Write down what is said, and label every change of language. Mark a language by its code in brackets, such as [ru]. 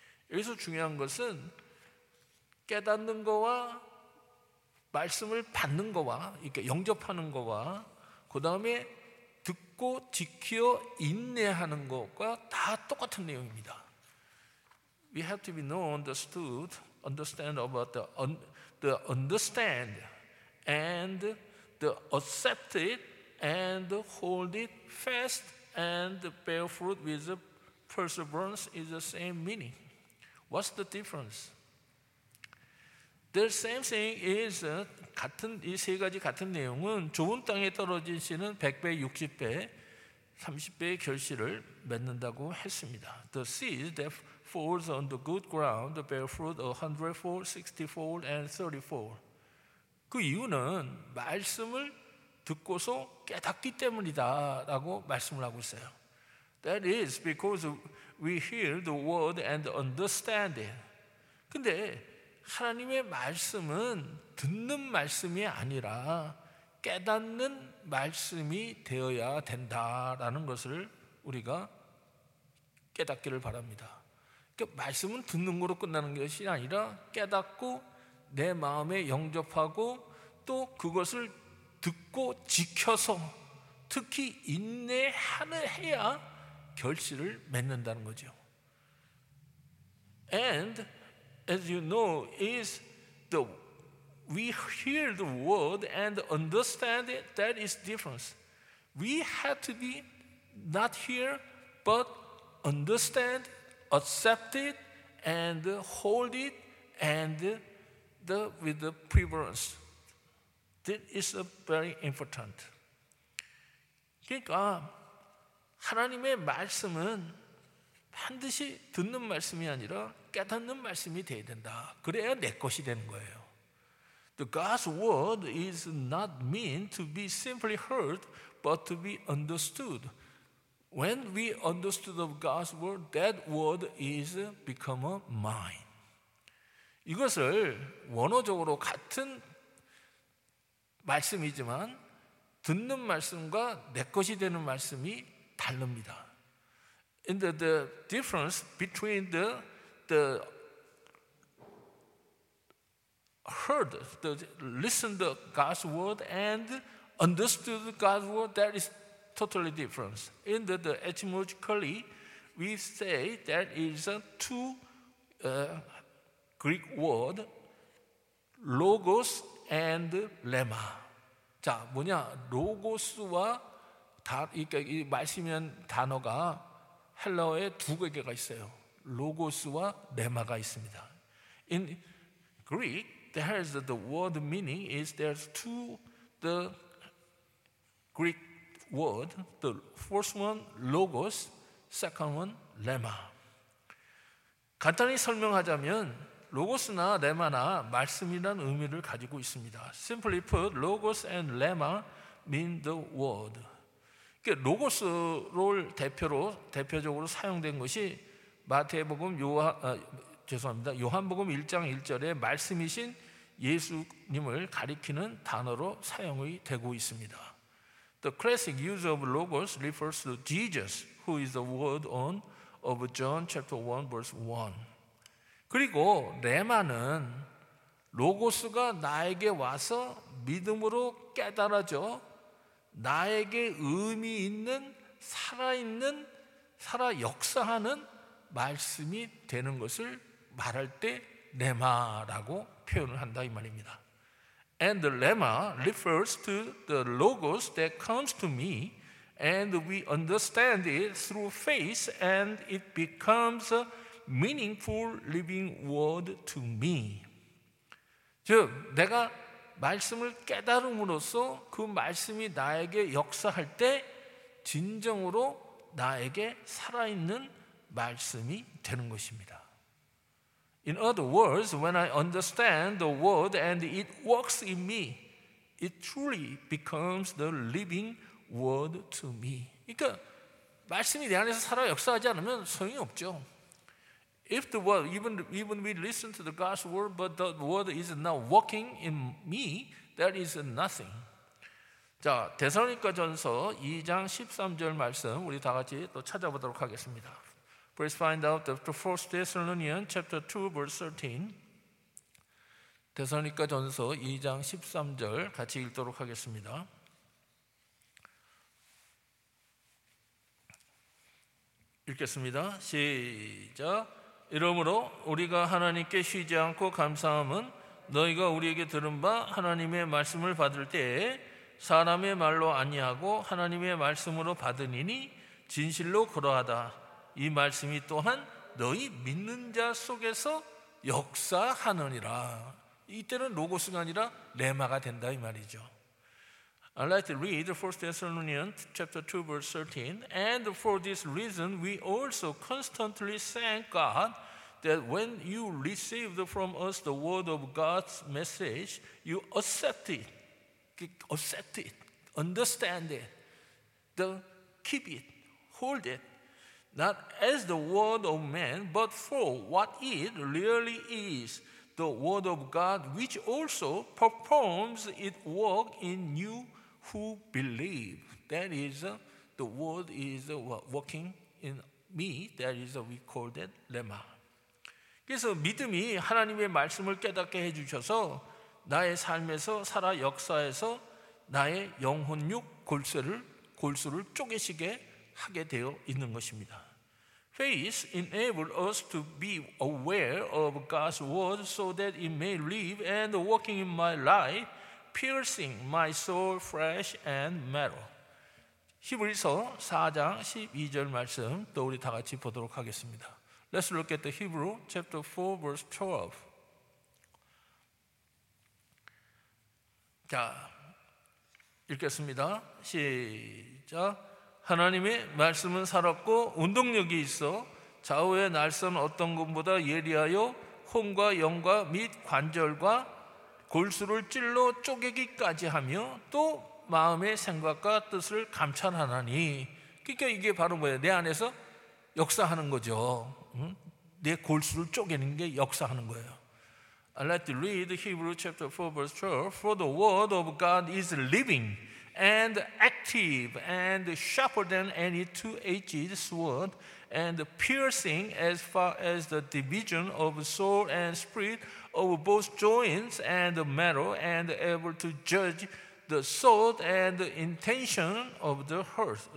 [ko] 여기서 중요한 것은 깨닫는 거와 말씀을 받는 거와 그러니까 영접하는 거와 그 다음에 듣고 지켜 인내하는 것과 다 똑같은 내용입니다. [en] We have to be known, understand about the understand and the accept it and hold it fast and bear fruit with the perseverance is the same meaning. What's the difference? The same thing is [ko] 같은 이 세 가지 같은 내용은 좋은 땅에 떨어진 씨는 100배, 60배, 30배의 결실을 맺는다고 했습니다. [en] The seed that falls on the good ground bear fruit a hundredfold, 60-fold and 30-fold. [ko] 그 이유는 말씀을 듣고서 깨닫기 때문이다 라고 말씀을 하고 있어요. [en] That is because we hear the word and understand it. [ko] 근데 하나님의 말씀은 듣는 말씀이 아니라 깨닫는 말씀이 되어야 된다라는 것을 우리가 깨닫기를 바랍니다. 그러니까 말씀은 듣는 거로 끝나는 것이 아니라 깨닫고 내 마음에 영접하고 또 그것을 듣고 지켜서 특히 인내해야 결실을 맺는다는 거죠. [en] And as you know, is the we hear the word and understand it, that is difference. We have to be not hear but understand, accept it, and hold it, and the with the preference. That is a very important. [ko] 그러니까 하나님의 말씀은 반드시 듣는 말씀이 아니라 깨닫는 말씀이 돼야 된다. 그래야 내 것이 되는 거예요. [en] The God's word is not meant to be simply heard, but to be understood. When we understood of God's word, that word is become a mine. [ko] 이것을 원어적으로 같은 말씀이지만 듣는 말씀과 내 것이 되는 말씀이 다릅니다. [en] And the difference between the heard, the listened God's word and understood God's word, that is totally different. In the etymologically, we say that is two Greek word, logos and lemma. [ko] 자, 뭐냐? 로고스와 다 그러니까 이 말씀이란 단어가 헬라어에 두 개가 있어요. 로고스와 레마가 있습니다. [en] In Greek, there is the word meaning is there's two the Greek word. The first one logos, second one lemma. [ko] 간단히 설명하자면 로고스나 레마나 말씀이란 의미를 가지고 있습니다. [en] Simply put, logos and lemma mean the word. [ko] 로고스를 대표적으로 사용된 것이 마태복음 요한복음 1장 1절에 말씀이신 예수님을 가리키는 단어로 사용이 되고 있습니다. [en] The classic use of logos refers to Jesus, who is the word on of John chapter 1 verse 1. [ko] 그리고 레마는 로고스가 나에게 와서 믿음으로 깨달아져 나에게 의미 있는 살아있는 살아 역사하는 말씀이 되는 것을 말할 때 레마라고 표현을 한다 이 말입니다. [en] And the lemma refers to the logos that comes to me and we understand it through faith and it becomes a meaningful living word to me. [ko] 즉 내가 말씀을 깨달음으로써 그 말씀이 나에게 역사할 때 진정으로 나에게 살아있는 말씀이 되는 것입니다. [en] In other words, when I understand the word and it works in me, it truly becomes the living word to me. [ko] 그러니까 말씀이 내 안에서 살아 역사하지 않으면 소용이 없죠. [en] If the word, even we listen to the God's word, but the word is not working in me, that is nothing. [ko] 자, 데살로니가전서 2장 13절 말씀 우리 다 같이 또 찾아보도록 하겠습니다. [en] Please find out the first Thessalonians chapter 2 verse 13. [ko] 데살로니가전서 2장 13절 같이 읽도록 하겠습니다. 읽겠습니다. 시작. 이러므로 우리가 하나님께 쉬지 않고 감사함은 너희가 우리에게 들은 바 하나님의 말씀을 받을 때에 사람의 말로 아니하고 하나님의 말씀으로 받으니니 진실로 그러하다. 이 말씀이 또한 너희 믿는 자 속에서 역사하느니라. 이때는 로고스가 아니라 레마가 된다 이 말이죠. [en] I'd like to read 1 Thessalonians chapter 2, verse 13. And for this reason, we also constantly thank God that when you received from us the word of God's message, you accept it, understand it, then keep it, hold it, not as the word of man, but for what it really is, the word of God, which also performs its work in you who believe. That is, the word is working in me. That is, we call that lema. [ko] 그래서 믿음이 하나님의 말씀을 깨닫게 해주셔서 나의 삶에서 살아 역사에서 나의 영혼육 골수를 쪼개시게 하게 되어 있는 것입니다. [en] Faith enables us to be aware of God's word so that it may live and working in my life, piercing my soul, flesh and marrow. [ko] 히브리서 4장 12절 말씀 또 우리 다 같이 보도록 하겠습니다. [en] Let's look at the Hebrew chapter 4 verse 12. [ko] 자, 읽겠습니다. 시작. 하나님의 말씀은 살았고 운동력이 있어 좌우의 날선 어떤 것보다 예리하여 혼과 영과 및 관절과 골수를 찔러 쪼개기까지 하며 또 마음의 생각과 뜻을 감찰하나니. 그러니까 이게 바로 뭐예요? 내 안에서 역사하는 거죠. 내 골수를 쪼개는 게 역사하는 거예요. [en] Let me read Hebrew chapter 4 verse 12. For the word of God is living and active and sharper than any two-edged sword and piercing as far as the division of soul and spirit of both joints and marrow and able to judge the thought and the intention of the heart.